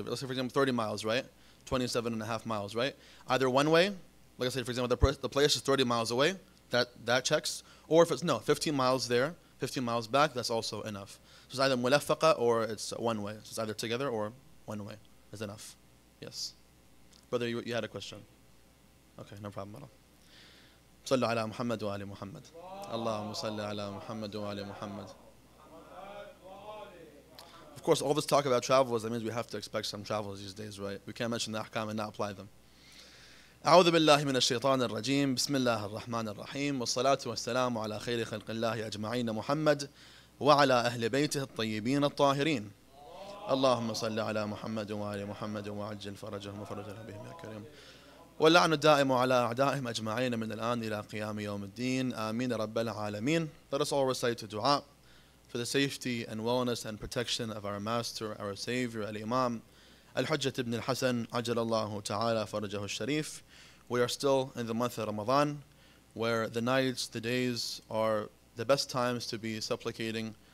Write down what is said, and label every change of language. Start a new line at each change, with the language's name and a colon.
English: Let's say, for example, 30 miles, right? 27 and a half miles, right? Either one way, like I said, for example, the place is 30 miles away, that checks. Or if it's, 15 miles there, 15 miles back, that's also enough. So it's either mulafaqa or it's one way. So it's either together or one way is enough. Yes. Brother, you had a question. Okay, no problem at all.
Arabic: صلى على محمد وآل محمد اللهم صل على محمد وآل محمد.
English: Of course, all this talk about travels, that means we have to expect some travels these days, right? We can't mention the ahkam and not apply them.
Arabic: أعوذ بالله من الشيطان الرجيم بسم الله الرحمن الرحيم والصلاة والسلام على خير خلق الله أجمعين محمد وعلى أهل بيته الطيبين الطاهرين اللهم صل على محمد وآل محمد وعجل فرجهم وفرج بهم يا كريم واللعن الدائم على أعدائهم أجمعين من الآن إلى قيام يوم الدين آمين رب العالمين.
English: Let us all recite a dua for the safety and wellness and protection of our master, our savior, al-imam
Arabic: الحجة ابن الحسن عجل الله تعالى فرجه الشريف.
English: We are still in the month of Ramadan, where the nights, the days are the best times to be supplicating